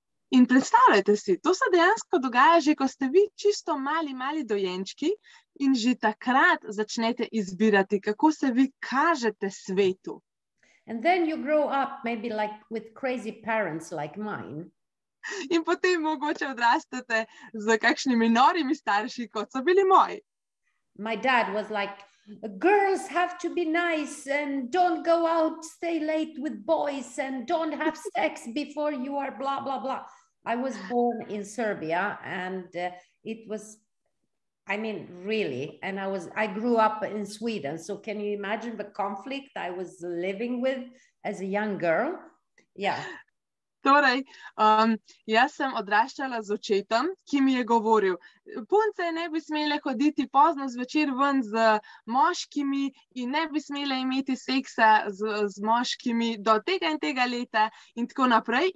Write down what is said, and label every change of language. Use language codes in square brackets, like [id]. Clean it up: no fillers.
[sl] In predstavljajte si, to se dejansko dogaja že, ko ste vi čisto mali dojenčki in že takrat začnete izbirati, kako se vi kažete svetu. [en] And then you grow up maybe like with crazy parents like mine. [sl] In potem mogoče odrastete z kakšnimi norimi starši, kot so bili moji. [en] My dad was like, girls have to be nice and don't go out, stay late with boys and don't have sex before you are blah, blah, blah. I was born in Serbia and it was, I mean, really, and I grew up in Sweden. So can you imagine the conflict I was living with as a young girl? Yeah. [sl] Torej, jaz sem odraščala z očetom, ki mi je govoril, punce ne bi smele hoditi pozno zvečer ven z moškimi in ne bi smele imeti seksa z moškimi do tega in tega leta in tako naprej.